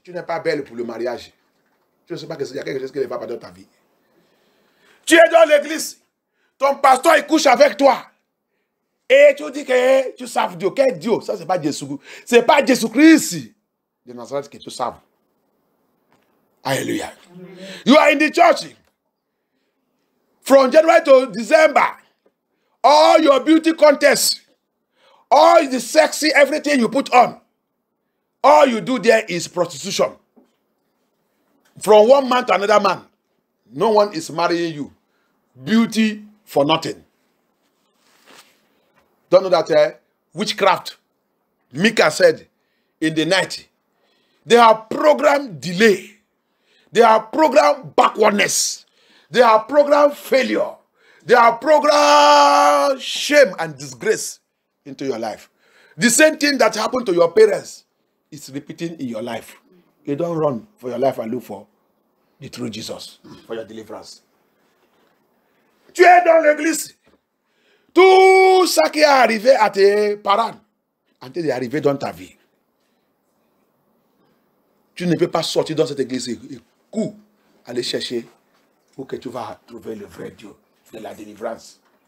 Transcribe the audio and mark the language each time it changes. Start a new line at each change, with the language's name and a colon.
French: Tu n'es pas belle pour le mariage. Je ne sais pas qu'il y a quelque chose qui ne va pas dans ta vie. Tu es dans l'église. Ton pasteur, il couche avec toi. Et tu dis que tu saves Dieu. Quel Dieu? Ça, ce n'est pas Jésus-Christ de Nazareth que tu saves.
English: Alléluia. You are in the church. From January to December, all your beauty contests, all the sexy, everything you put on, all you do there is prostitution. From one man to another man, no one is marrying you. Beauty for nothing. Don't know that witchcraft, Micah said in the night. They have program delay. They have program backwardness. They have program failure. They have program shame and disgrace into your life. The same thing that happened to your parents is repeating in your life. You don't run for your life and look for the true Jesus for your deliverance.
French: Tu es dans l'église. Tout ça qui est arrivé à tes parents, antes d'arriver dans ta vie, tu ne peux pas sortir dans cette église et cours aller chercher où que tu vas trouver le vrai Dieu de la délivrance.